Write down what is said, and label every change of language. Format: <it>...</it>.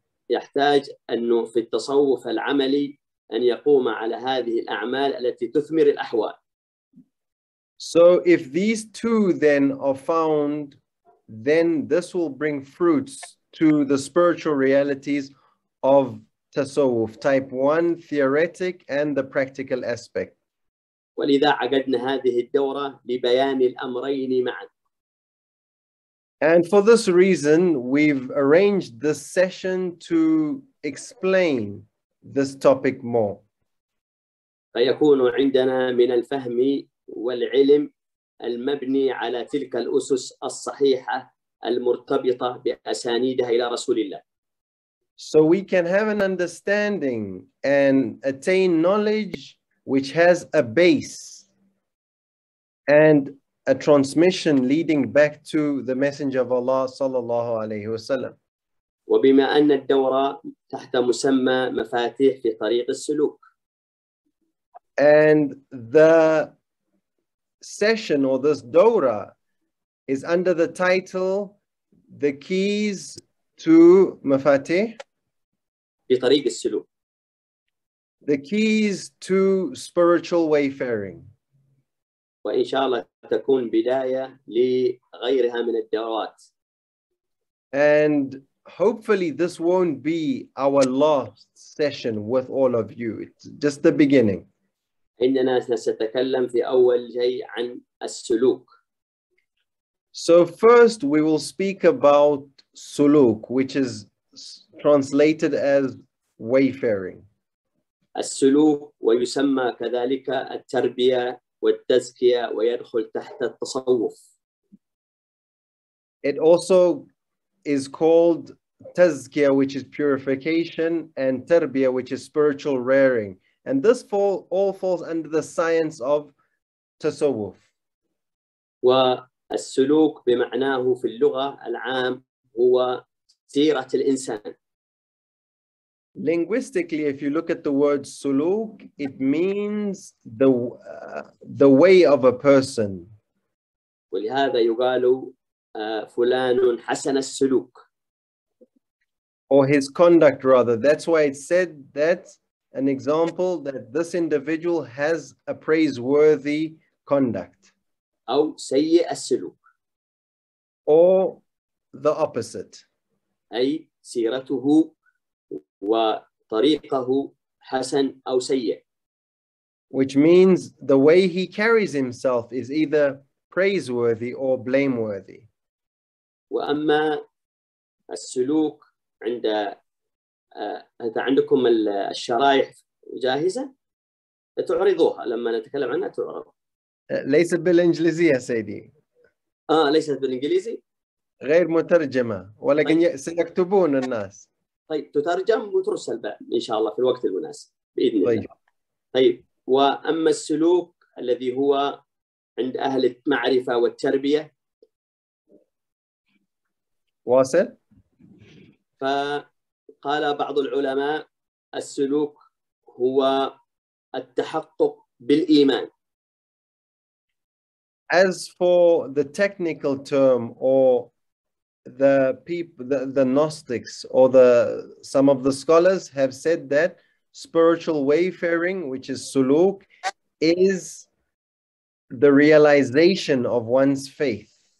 <ar>يحتاج أنه في التصوف العملي أن يقوم على هذه الأعمال التي تثمر الأحوال.</ar> <en>So if these two then are found, then this will bring fruits to the spiritual realities of تصوف type 1 theoretic and the practical aspect.</en> <ar>ولذا عقدنا هذه الدورة لبيان الأمرين معا.</ar> <en>And for this reason, we've arranged this session to explain this topic more.</en> <ar>فيكون عندنا من الفهم والعلم المبني على تلك الأسس الصحيحة المرتبطة بأسانيدها إلى رسول الله.</ar> <en>So we can have an understanding and attain knowledge which has a base and a transmission leading back to the Messenger of Allah sallallahu alayhi wasallam.</en> <ar>وبما أن الدورة تحت مسمى مفاتيح في طريق السلوك.</ar> <en>And the session or this dawra is under the title The Keys to Mafatih.</en> <ar>بطريق السلوك.</ar> <en>The keys to spiritual wayfaring.</en> <ar>وإن شاء الله تكون بداية لغيرها من الدورات.</ar> <en>And hopefully this won't be our last session with all of you. It's just the beginning.</en> <ar>إننا سنتكلم في أول شيء عن السلوك.</ar> <en>So first we will speak about سلوك, which is translated as wayfaring.</en> <ar>السلوك ويسمى كذلك التربية والتزكية ويدخل تحت التصوف.</ar> <en>It also is called تزكية, which is purification, and تربية, which is spiritual rearing. And this all falls under the science of تصوف.</en> <ar>والسلوك بمعناه في اللغة العام هو سيرة الإنسان.</ar> <en>Linguistically, if you look at the word سلوك, it means the way of a person.</en> <ar>ولهذا يقال فلان حسن السلوك.</ar> <en>Or his conduct rather. That's why it said that an example that this individual has a praiseworthy conduct.</en> <ar>أو سيء السلوك.</ar> <en>Or the opposite.</en> <ar>أي سيرته وطريقه حسن أو سيء.</ar> <en>Which means the way he carries himself is either praiseworthy or blameworthy.</en> <ar>وأما السلوك عند هل عندكم الشرائح جاهزة؟ تعرضوها لما نتكلم عنها تعرض. ليست بالإنجليزية سيدي. ليست بالإنجليزي؟ غير مترجمة ولكن سيكتبون الناس. طيب تترجم وترسل بعد إن شاء الله في الوقت المناسب بإذن الله. طيب وأما السلوك الذي هو عند أهل المعرفة والتربية. واصل. فقال بعض العلماء السلوك هو التحقق بالإيمان.</ar> <en>As for the technical term or the people, the Gnostics or some of the scholars have said that spiritual wayfaring, which is suluk, is the realization of one's faith.</en>